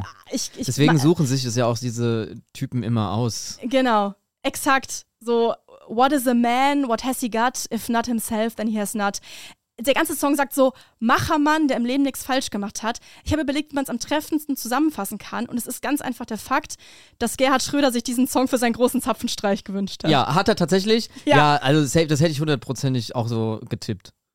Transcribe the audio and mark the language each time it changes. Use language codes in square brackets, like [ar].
[de] Deswegen suchen sich es ja auch diese Typen immer aus. Genau, exakt. [en] So, what is a man, what has he got, if not himself, then he has not. [de] Der ganze Song sagt so, Machermann, der im Leben nichts falsch gemacht hat. Ich habe überlegt, wie man es am treffendsten zusammenfassen kann. Und es ist ganz einfach der Fakt, dass Gerhard Schröder sich diesen Song für seinen großen Zapfenstreich gewünscht hat. Ja, hat er tatsächlich. Ja, also das hätte ich hundertprozentig auch so getippt.